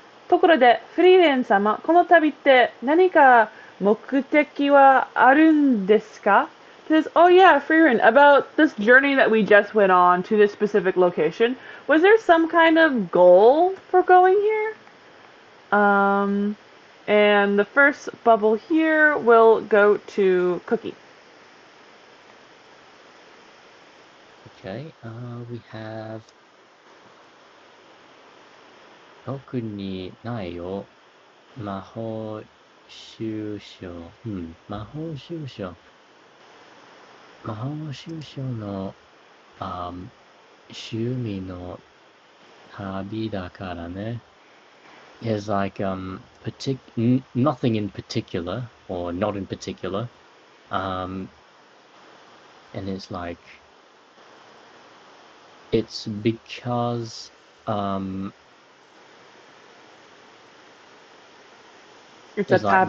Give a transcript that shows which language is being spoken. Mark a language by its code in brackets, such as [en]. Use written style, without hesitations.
[ja] ところで、フリーレン様、この旅って何か目的はあるんですか? [en] He says, oh yeah, Frieren, about this journey that we just went on to this specific location, was there some kind of goal for going here? And the first bubble here will go to Cookie. Okay, we have... [ja] 特にないよ。魔法収集。魔法収集。魔法収集の趣味の旅だからね。 [en] It's like nothing in particular or not in particular. And it's like it's because it's like